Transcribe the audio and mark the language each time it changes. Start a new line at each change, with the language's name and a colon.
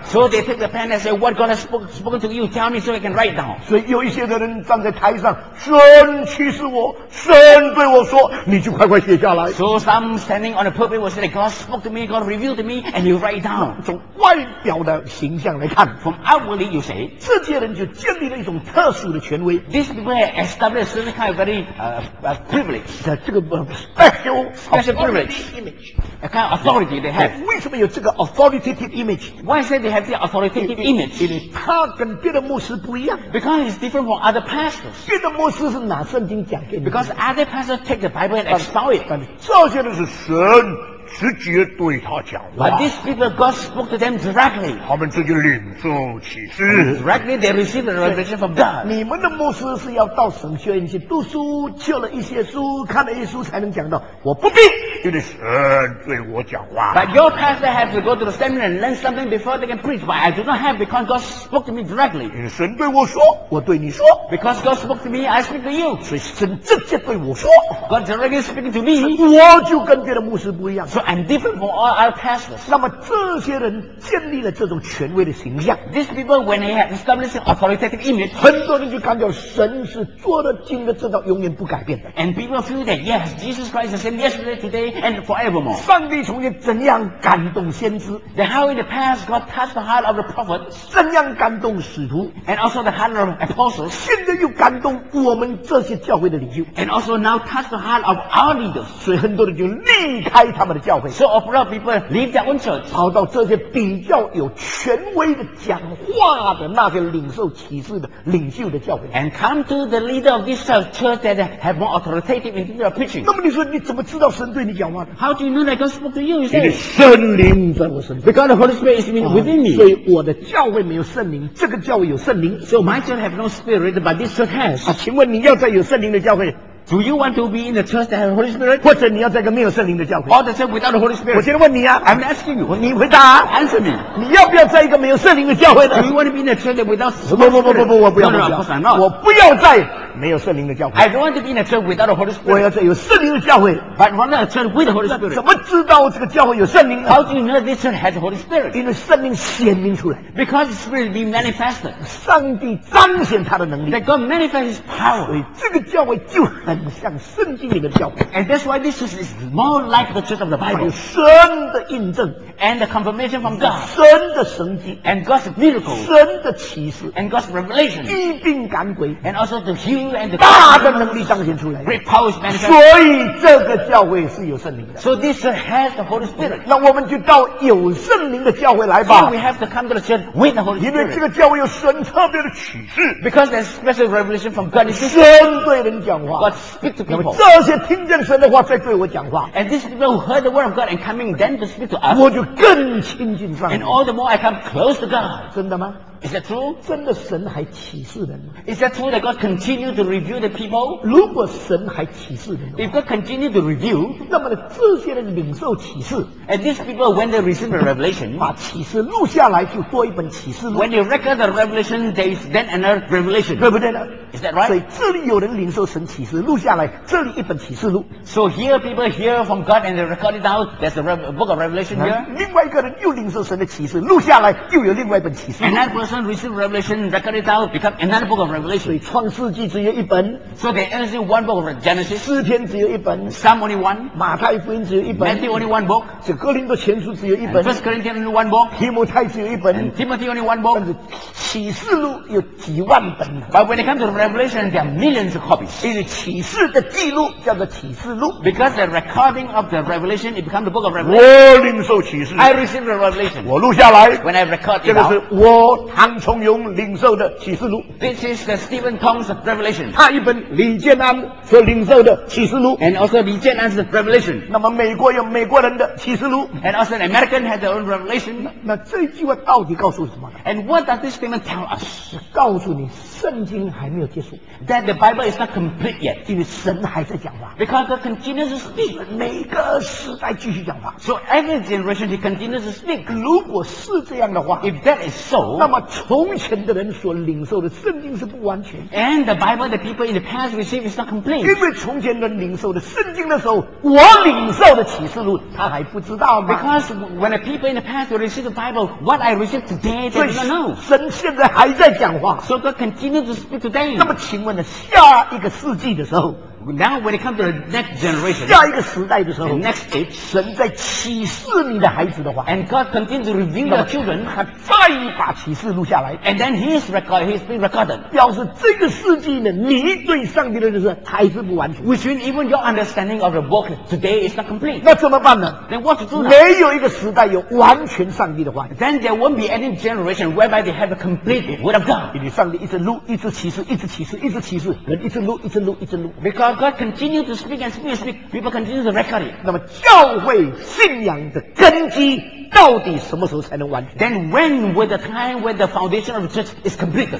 English: So they take the pen and say, "What God has spoken to you? Tell me so I can write down."
Chinese: 所以有一些的人站在台上，神启示我，神对我说，你就快快写下来。
English: So some standing on the pulpit will say, that "God spoke to me. God revealed to me, and you write down."
Chinese: 从外表的形象来看
English: ，from outwardly you say，
Chinese: 这些人就建立了一种特殊的权威。
English: These people have established some kind of very privilege.
Chinese: 这个 special。
English: Special privilege, a kind of authority they have.
Chinese: 为什么有这个
English: authoritative image? Why say they have the authoritative image?
Chinese: 因为他跟别的牧师不一样。
English: Because it's different from other pastors.
Chinese: 别的牧师是拿圣经讲给你。
English: Because other pastors take the Bible and expound it.
Chinese: 但这些人是神直接对他讲话。
English: But these people, God spoke to them directly.
Chinese: 他们自己领受启示。
English: Directly, they received the revelation from God.
Chinese: 你们的牧师是要到神学院去读书，借了一些书，看了一些书才能讲到。我不必，因为神对我讲话。
English: But your pastor has to go to the seminary and learn something before they can preach. But I do not have, because God spoke to me directly.
Chinese: 神对我说，我对你说。
English: Because God spoke to me, I speak to you.
Chinese: 所以神直接对我说。
English: God directly speaking to me.
Chinese: 我就跟别的牧师不一样。
English: So I'm different from all our pastors.
Chinese: 那么这些人建立了这种权威的形象。
English: These people, when they have established an authoritative image,
Chinese: 很多人就看到神是做了今的这道永远不改变的。
English: And people feel that yes, Jesus Christ is the same yesterday, today, and forevermore.
Chinese: 上帝从前怎样感动先知
English: ？Then how in the past God touched the heart of the prophets?
Chinese: 怎样感动使徒
English: ？And also the heart of apostles.
Chinese: 现在又感动我们这些教会的领袖
English: ？And also now touched the heart of our leaders.
Chinese: 所以很多人就离开他们的。
English: So a lot of people leave their own church.
Chinese: 跑到这些比较有权威的讲话的那些领受启示的领袖的教会。
English: And come to the leader of this church that have more authoritative in their preaching.
Chinese: 那么你说你怎么知道神对你讲话的
English: ？How do you know that God spoke to you? You say,
Chinese: 因为圣灵在我身上。
English: Because the Holy Spirit is within me.
Chinese: 所以我的教会没有圣灵，这个教会有圣灵。
English: So my church have no spirit, but this church has.
Chinese: 啊，请问你要在有圣灵的教会？
English: Do you want to be in the church that has the Holy Spirit?
Chinese: 或者你要在一个没有圣灵的教会
English: ？Or the church without the Holy Spirit?
Chinese: 我先问你啊
English: ，I'm asking you.
Chinese: 你回答
English: ，Answer me.
Chinese: 你要不要在一个没有圣灵的教会呢
English: ？Do you want to be in the church without the Holy Spirit?
Chinese: 不，我不要回答。我不要在没有圣灵的教会。
English: I don't want to be in the church without the Holy Spirit.
Chinese: 我要在有圣灵的教会。
English: But I want a church with the Holy Spirit.
Chinese: 怎么知道这个教会有圣灵
English: ？How do you know this church has the Holy Spirit?
Chinese: 因为圣灵显明出来。
English: Because the Spirit be manifested.
Chinese: 上帝彰显他的能力。
English: That God manifests His power.
Chinese: 所以这个教会就很像圣经里的教会
English: ，and that's why this church is more like the church of the Bible.
Chinese: 有神的印证
English: ，and the confirmation from God.
Chinese: 神的神迹
English: ，and God's miracle.
Chinese: 神的启示
English: ，and God's revelation.
Chinese: 医病赶鬼
English: ，and also the heal and the
Chinese: 大的能力彰显出来
English: ，great power is manifested.
Chinese: 所以这个教会是有圣灵的。
English: So this church has the Holy Spirit.
Chinese: 那我们就到有圣灵的教会来吧。
English: So we have to come to the church with the Holy Spirit.
Chinese: 因为这个教会有神特别的启示
English: ，because there's special revelation from God.
Chinese: 神对人讲话。
English: Speak to people.
Chinese: 这些听见神的话在对我讲话
English: ，and these people who heard the word of God and coming then to speak to us，
Chinese: 我就更亲近上帝
English: ，and all the more I come close to God。
Chinese: 真的吗？
English: Is that true?
Chinese: 真的神还启示人吗？
English: Is that true that God continued to reveal the people?
Chinese: 如果神还启示人的话，
English: If God continued to reveal,
Chinese: 那么呢这些人领受启示，
English: And these people, when they receive the revelation,
Chinese: 把启示录下来就多一本启示录。
English: When they record the revelation, there is then another revelation.
Chinese: 对不对呢？
English: Is that right?
Chinese: 所以这里有人领受神启示录下来，这里一本启示录。
English: So here people hear from God and they record it out. There's a book of Revelation here.
Chinese: 另外一个人又领受神的启示录下来，又有另外一本启示录。
English: Another person receive Revelation, record it out, become another book of Revelation.
Chinese: 所以创世纪只有一本。
English: So there is only one book of Genesis.
Chinese: 诗篇只有一本。
English: Psalm only one.
Chinese: 马太福音只有一本。
English: Matthew only one book.
Chinese: 这哥林多前书只有一本。
English: And First Corinthians only one book.
Chinese: 提摩太只有一本。
English: And Timothy only one book.
Chinese: 但是启示录有几万本。
English: But when it comes to Revelation,Revelation, there are millions of copies.
Chinese: 因为启示的记录叫做启示录。
English: Because the recording of the revelation, it becomes the book of revelation.
Chinese: 我领受启示。
English: I receive the revelation.
Chinese: 我录下来。
English: When I record it
Chinese: 这个是我唐崇荣领受的启示录。
English: This is the Stephen Tong's revelation.
Chinese: 他一本李建安所领受的启示录。
English: And also 李建安's revelation.
Chinese: 那么美国有美国人的启示录。
English: And also an American had their own revelation.
Chinese: 那这句话到底告诉什么呢？
English: And what does this statement tell us?
Chinese: 告诉你圣经还没有。
English: That the Bible is not complete yet.
Chinese: 因为神还在讲话。
English: Because God continues to speak.
Chinese: 每个时代继续讲话。
English: So every generation he continues to speak.
Chinese: 如果是这样的话，
English: If that is so,
Chinese: 那么从前的人所领受的圣经是不完全。
English: And the Bible the people in the past received is not complete.
Chinese: 因为从前人领受的圣经的时候，我领受的启示录他还不知道吗？
English: Because when the people in the past received the Bible, what I received today, they don't know.
Chinese: 神现在还在讲话。
English: So God continues to speak today.
Chinese: 那么请问呢下一个世纪的时候
English: Now when it comes to the next generation
Chinese: 下一个时代的时候
English: The next age
Chinese: 神在启示你的孩子的话
English: And God continues to reveal the children
Chinese: 他再把启示录下来
English: And then he's record, he's been recorded
Chinese: 表示这个世纪呢你对上帝的认识还是不完全
English: Which means even your understanding of the book today is not complete
Chinese: 那怎么办呢
English: Then what to do
Chinese: 没有一个时代有完全上帝的话
English: Then there won't be any generation whereby they have a complete word of God
Chinese: 因为上帝一直录一直启示一直启示一直启示人一直录一直录一直录
English: Because God continues to speak and speak and speak people continue to record it
Chinese: 那么教会信仰的根基到底什么时候才能完成
English: Then when will the time when the foundation of the church is completed